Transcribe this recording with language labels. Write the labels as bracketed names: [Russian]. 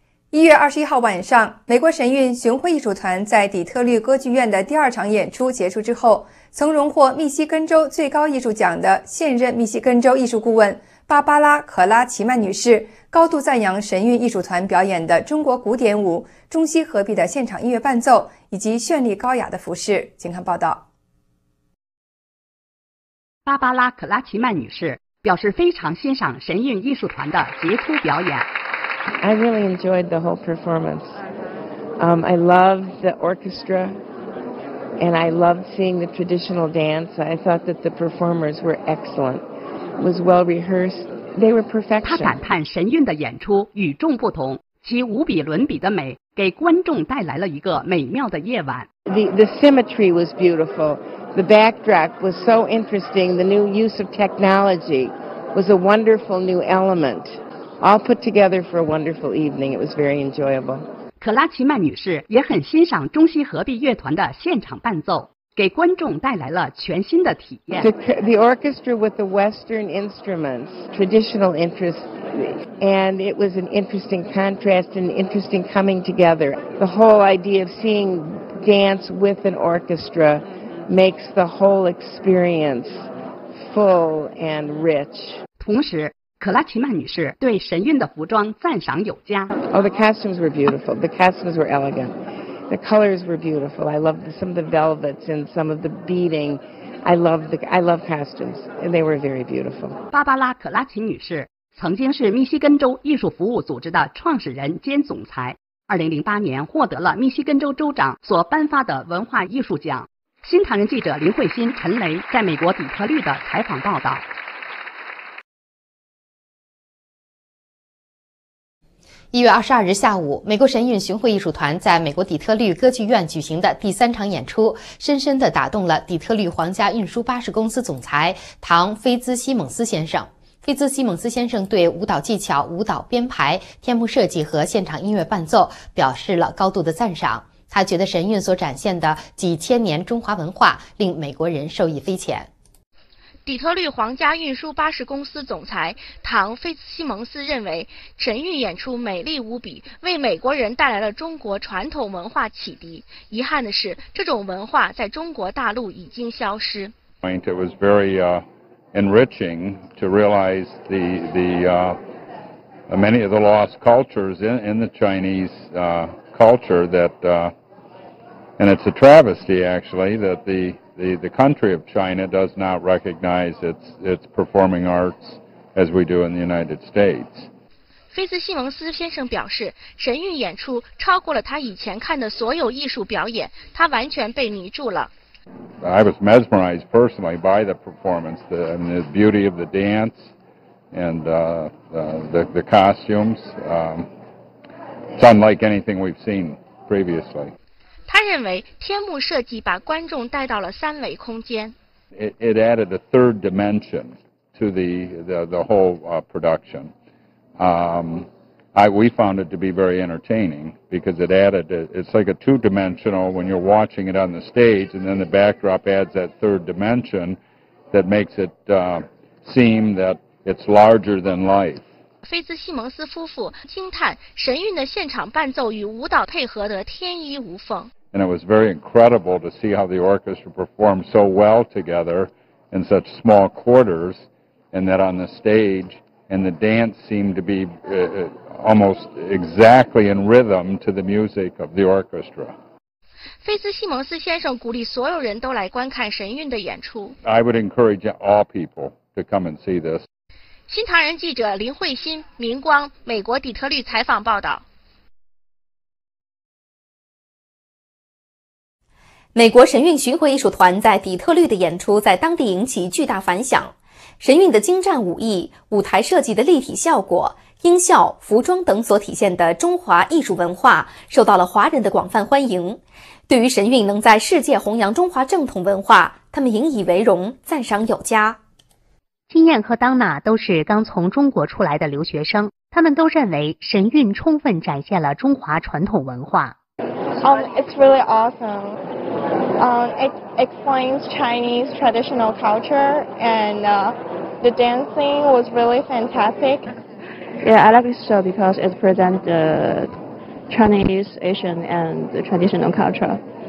[Chinese] 1月21号晚上，美国神韵巡回艺术团在底特律歌剧院的第二场演出结束之后，曾荣获密西根州最高艺术奖的现任密西根州艺术顾问芭芭拉·可拉奇曼女士高度赞扬神韵艺术团表演的中国古典舞、中西合璧的现场音乐伴奏以及绚丽高雅的服饰。请看报道。芭芭拉·可拉奇曼女士表示非常欣赏神韵艺术团的杰出表演。 [English] I really enjoyed the whole performance. I loved the orchestra, and I loved seeing the traditional dance. I thought that the performers were excellent. Was well rehearsed. They were perfection. [Chinese] 她感叹神韵的演出与众不同，其无比伦比的美给观众带来了一个美妙的夜晚。 [English] The symmetry was beautiful. The backdrop was so interesting. The new use of technology was a wonderful new element. All put together for a wonderful evening. It was very enjoyable. [Chinese] 可拉奇曼女士也很欣赏中西合璧乐团的现场伴奏，给观众带来了全新的体验。 [English] The orchestra with the Western instruments, traditional interest, and it was an interesting contrast and interesting coming together. The whole idea of seeing dance with an orchestra. Makes the whole experience full and rich. [Chinese] 同时，可拉奇曼女士对神韵的服装赞赏有加。 [English] Oh, the costumes were beautiful. The costumes were elegant. The colors were beautiful. I loved some of the velvets and some of the beading. I love costumes, and they were very beautiful. [Chinese] 芭芭拉·可拉奇女士曾经是密西根州艺术服务组织的创始人兼总裁。 2008年获得了密西根州州长所颁发的文化艺术奖。新唐人记者林慧欣、陈雷在美国底特律的采访报道。 1月22日下午，美国神韵巡回艺术团在美国底特律歌剧院举行的第三场演出，深深地打动了底特律皇家运输巴士公司总裁唐·菲兹西蒙斯先生。菲兹西蒙斯先生对舞蹈技巧、舞蹈编排、天幕设计和现场音乐伴奏表示了高度的赞赏。他觉得神韵所展现的几千年中华文化令美国人受益匪浅。底特律皇家运输巴士公司总裁唐·菲兹西蒙斯认为，神韵演出美丽无比，为美国人带来了中国传统文化启迪。遗憾的是，这种文化在中国大陆已经消失。 [English] It was very enriching to realize the many of the lost cultures in the Chinese culture that and it's a travesty actually that the country of China does not recognize its performing arts as we do in the United States. [Chinese] 菲兹西蒙斯先生表示，神韵演出超过了他以前看的所有艺术表演，他完全被迷住了。 [English] I was mesmerized personally by the performance, the beauty of the dance, and the costumes. It's unlike anything we've seen previously. [Chinese] 他认为天幕设计把观众带到了三维空间。 [English] It added a third dimension to the whole production. We found it to be very entertaining because it added, it's like a two-dimensional when you're watching it on the stage and then the backdrop adds that third dimension that makes it seem that it's larger than life. [Chinese] 菲兹西蒙斯夫妇惊叹神韵的现场伴奏与舞蹈配合得天衣无缝。 [English] And it was very incredible to see how the orchestra performed so well together in such small quarters, and that on the stage and the dance seemed to be almost exactly in rhythm to the music of the orchestra. [Chinese] 菲兹西蒙斯先生鼓励所有人都来观看神韵的演出。 [English] I would encourage all people to come and see this. [Chinese] 新唐人记者林慧欣、明光，美国底特律采访报道。美国神韵巡回艺术团在底特律的演出在当地引起巨大反响。神韵的精湛武艺、舞台设计的立体效果、音效、服装等所体现的中华艺术文化受到了华人的广泛欢迎。对于神韵能在世界弘扬中华正统文化，他们引以为荣，赞赏有加。金燕和当娜都是刚从中国出来的留学生，他们都认为神韵充分展现了中华传统文化。 [English] It's really awesome. It explains Chinese traditional culture, and the dancing was really fantastic. Yeah, I like this show because it presents the Chinese, Asian, and the traditional culture.